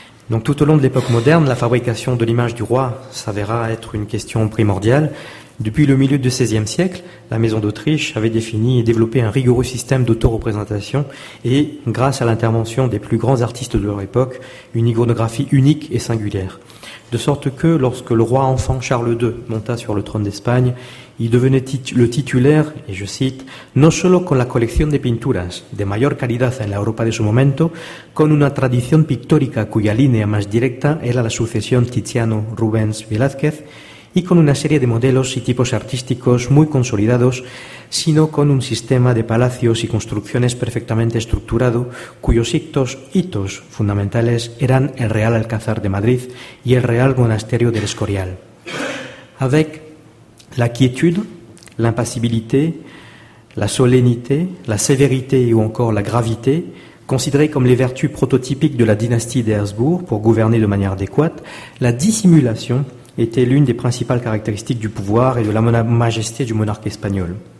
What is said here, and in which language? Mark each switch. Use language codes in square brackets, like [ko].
[fr] Donc tout au long de l'époque moderne, la fabrication de l'image du roi s'avéra être une question primordiale. Depuis le milieu du XVIe siècle, la maison d'Autriche avait défini et développé un rigoureux système d'autoreprésentation et, grâce à l'intervention des plus grands artistes de leur époque, une iconographie unique et singulière. De sorte que, lorsque le roi enfant Charles II monta sur le trône d'Espagne, il devenait le titulaire, et je cite, [es] « non solo con la colección de pinturas de mayor calidad en la Europa de su momento, con una tradición pictórica cuya línea más directa era la sucesión Tiziano Rubens Velázquez, y con una serie de modelos y tipos artísticos muy consolidados, sino con un sistema de palacios y construcciones perfectamente estructurado, cuyos hitos fundamentales eran el Real Alcázar de Madrid y el Real Monasterio del Escorial. [fr] Avec la quietud, l'impassibilité, la solennité, la sévérité ou encore la gravité, considérées comme les vertus prototypiques de la dynastie des Habsbourg pour gouverner de manière adéquate, la dissimulation était l'une des principales caractéristiques du pouvoir et de la majesté du monarque espagnol.